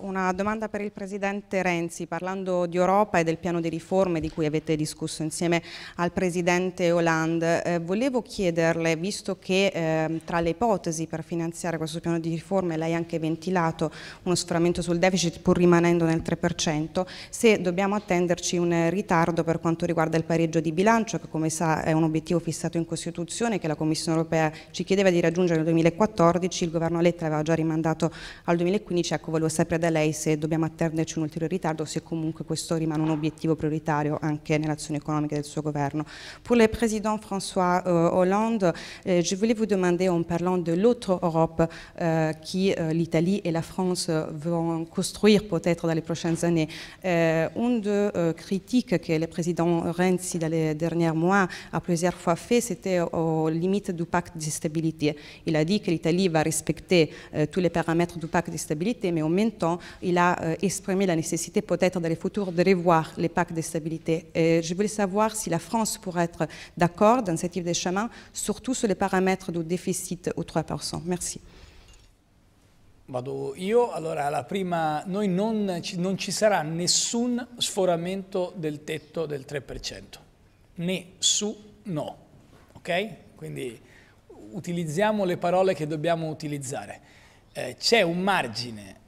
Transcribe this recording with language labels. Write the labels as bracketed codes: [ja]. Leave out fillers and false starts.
[it] Una domanda per il Presidente Renzi. Parlando di Europa e del piano di riforme di cui avete discusso insieme al Presidente Hollande, volevo chiederle, visto che tra le ipotesi per finanziare questo piano di riforme lei ha anche ventilato uno sforamento sul deficit pur rimanendo nel 3%, se dobbiamo attenderci un ritardo per quanto riguarda il pareggio di bilancio, che come sa è un obiettivo fissato in Costituzione che la Commissione europea ci chiedeva di raggiungere nel 2014, il Governo Letta aveva già rimandato al 2015, ecco, volevo sapere da lei se dobbiamo attenderci un ulteriore ritardo o se comunque questo rimane un obiettivo prioritario anche nell'azione economica del suo governo. [fr] Pour le président François Hollande, je voulais vous demander en parlant de l'autre Europe qui l'Italie et la France vont construire peut-être dans les prochaines années. Une de critique que le président Renzi dans les derniers mois a plusieurs fois fait, c'était aux limites du pacte de stabilité. Il a dit que l'Italie va respecter tous les paramètres du pacte de stabilité, mais en même temps, il a exprimé la nécessité peut-être dans le futur de revoir les pactes de stabilité. Et je voulais savoir si la France pourrait être d'accord dans ce type de chemin, surtout sur les paramètres du déficit au 3%. Merci. [it] Vado io, allora la prima, noi non ci sarà nessun sforamento del tetto del 3%, nessuno, ok? Quindi utilizziamo le parole che dobbiamo utilizzare. C'è un margine